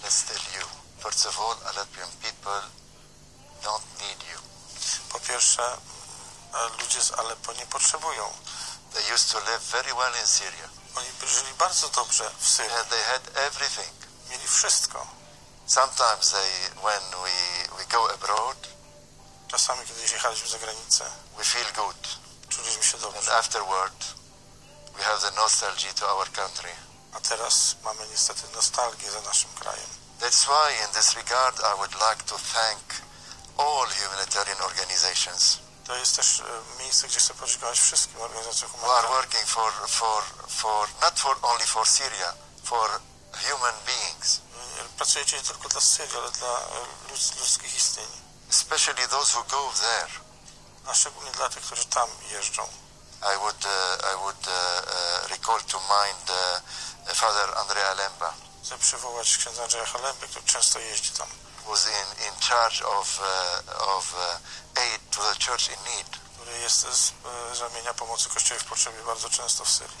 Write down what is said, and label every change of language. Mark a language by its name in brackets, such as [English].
[English] Let's tell you, first of all, Aleppian people don't need you. [Polish] Po pierwsze, ludzie z Aleppo nie potrzebują. [English] They used to live very well in Syria. [Polish] Oni żyli bardzo dobrze w Syrii. [English] And they had everything. [Polish] Mieli wszystko. [English] Sometimes they, when we go abroad, [Polish] czasami kiedy jechaliśmy za granicę, [English] we feel good. [Polish] Czuliśmy się dobrze. [English] And afterward, we have the nostalgia to our country. [Polish] A teraz mamy niestety nostalgię za naszym krajem. [English] That's why, in this regard, I would like to thank all humanitarian organizations. [Polish] To jest też miejsce, gdzie chcę podziękować wszystkim organizacjom humanitarnym. [English] Are working for not for only for Syria, for human beings. [Polish] Pracujecie nie tylko dla Syrii, ale dla ludzkich istnień. [English] Especially those who go there. [Polish] A szczególnie dla tych, którzy tam jeżdżą. [English] I would recall to mind Father Andrea Lemba. [Polish] Chcę przywołać księdza Andrzeja Halemby, który często jeździ tam. [English] Was in charge of aid to the church in need. [Polish] Który jest z ramienia pomocy Kościołowi w potrzebie bardzo często w Syrii.